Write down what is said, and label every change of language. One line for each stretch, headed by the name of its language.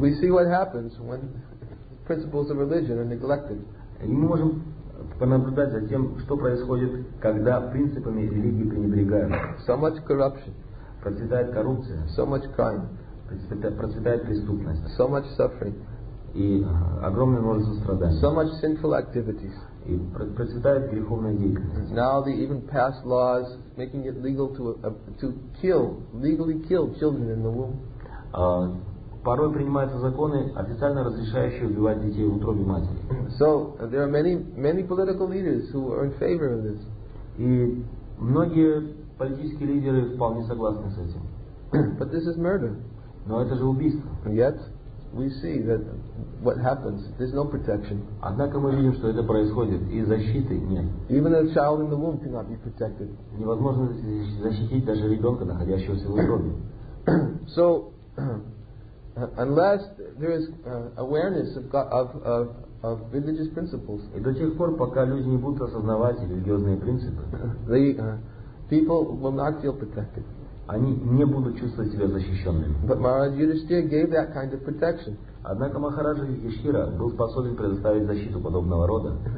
English: We see what happens when principles of religion are neglected.
Russian: И мы можем понаблюдать за тем, что происходит, когда принципами религии пренебрегают.
English: So much corruption.
Russian: Процветает коррупция.
English: So much crime.
Russian: Процветает преступность.
English: So much suffering.
Russian: И огромное множество страданий.
English: So much sinful activities.
Russian: И процветает греховная деятельность.
English: Now they even pass laws making it legal to legally kill children in the womb.
Russian: Порой принимаются законы, официально разрешающие убивать детей в утробе матери.
English: So there are many political leaders who are in favor of this.
Russian: И многие политические лидеры вполне согласны с этим.
English: But this is murder.
Russian: Но это же убийство.
English: And yet we see that what happens, there's no protection.
Russian: Однако мы видим, что это происходит, и защиты нет.
English: Even a child in the womb cannot be protected.
Russian: Невозможно защитить даже ребенка, находящегося в утробе.
English: So unless there is awareness of God, of religious principles,
Russian: и до тех пор, пока люди не будут осознавать религиозные принципы,
English: people will not feel protected.
Russian: Они не будут чувствовать себя защищенными.
English: But Maharaj Yudhishthira gave that kind of protection.
Russian: Однако Махараджа Юдхиштхира был способен предоставить защиту подобного рода.